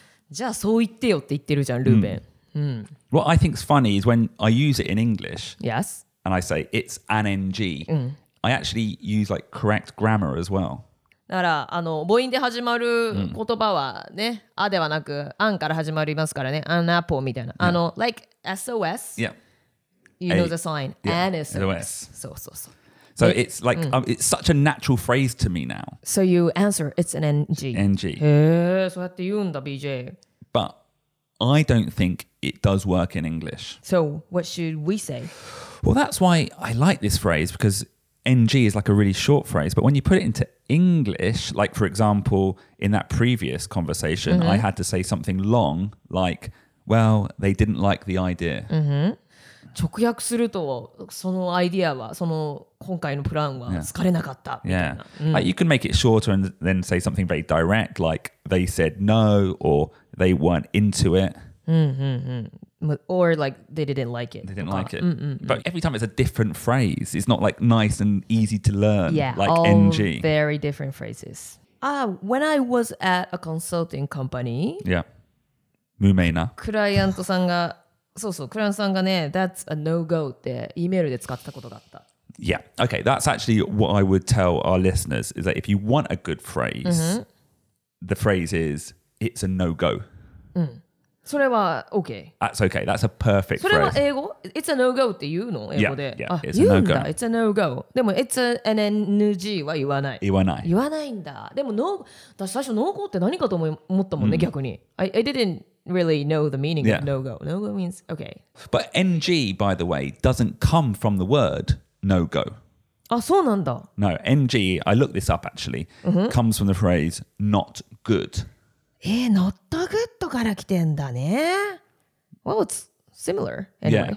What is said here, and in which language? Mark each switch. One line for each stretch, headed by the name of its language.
Japanese: じゃあそう言ってよって言ってるじゃん、ルーベン。
English: What I think's funny is when I use it in English. Yes. And I say, it's an NG. I actually use like correct grammar as well.
Japanese: だからあの母音で始まる言葉はね、あではなく、あんから始まりますからね、アンアポみたいな。
English: Yeah. あの、like SOS? Yeah. You know the sign. Yeah. An SOS.
Japanese: そうそうそう。
English: So it's like,、うん it's such a natural phrase to me now. So you answer, it's an NG. NG.
Japanese: へぇ、そうやって言うんだ、BJ。
English: But I don't think it does work in English. So what should we say? Well, that's why I like this phrase, becauseNG is like a really short phrase, but when you put it into English, like for example, in that previous conversation,、mm-hmm. I had to say something long, like, well, they didn't like the idea.、 Mm-hmm.
Japanese: 直訳するとそのアイディアはその今回のプランは疲れなかったみたいな。
English: Yeah. Like, you can make it shorter and then say something very direct, like they said no or they weren't into it. Or like they didn't like it. They didn't like it. But every time it's a different phrase. It's not like nice and easy to learn. Yeah, like all NG. Very different phrases. When I was at a consulting company.
Japanese: Yeah. 無名な。クライアントさんが、そうそう、クライアントさんがね、
English: That's a no-go
Japanese: って、E メールで使ってたことがあった。
English: Yeah. Okay, that's actually what I would tell our listeners, is that if you want a good phrase,、mm-hmm. the phrase is, it's a no-go.
Japanese: うん。それは OK。
English: That's OK. That's a perfect phrase.
Japanese: それは英語 ?
English: It's a no-go
Japanese: って言うの英語で。
English: Yeah, yeah.
Japanese: あ、言うんだ。
English: It's a no-go。
Japanese: でも、
English: It's an NG
Japanese: は言わない。言わない。言わないんだ。でも、私最初、no-go って何かと思ったもんね、逆に。
English: I didn't really know the meaning、yeah. of no-go. No-go means, okay. But NG, by the way, doesn't come from the word no-go.
Japanese: あ、そうなんだ。
English: No, NG, I looked this up actually,、mm-hmm. comes from the phrase not good. Not good
Japanese: から来てんだね。
English: Well, it's similar anyway.